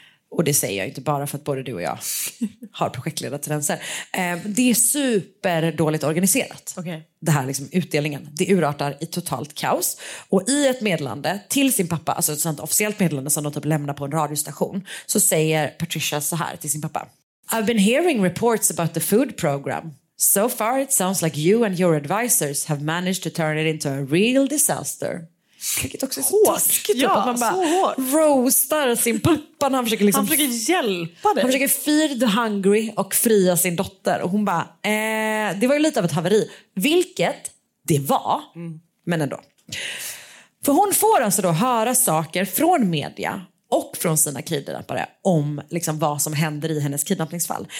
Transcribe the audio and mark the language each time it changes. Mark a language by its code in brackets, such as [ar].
[sv] Och det säger jag inte bara för att både du och jag har projektledartrenser. Det är superdåligt organiserat. Okay. Det här liksom utdelningen. Det urartar i totalt kaos. Och i ett meddelande till sin pappa, alltså ett sånt officiellt meddelande som de typ lämnar på en radiostation, så säger Patricia så här till sin pappa. [en] I've been hearing reports about the food program. So far it sounds like you and your advisors have managed to turn it into a real disaster. [sv] Vilket också är så hårt. Taskigt. Ja, man bara roastar sin pappa när han försöker, liksom, han försöker hjälpa dig. Han försöker [en] feed the hungry [sv] och fria sin dotter. Och hon bara, det var ju lite av ett haveri. Vilket det var, men ändå. För hon får alltså då höra saker från media och från sina kidnappare om liksom vad som händer i hennes kidnappningsfall.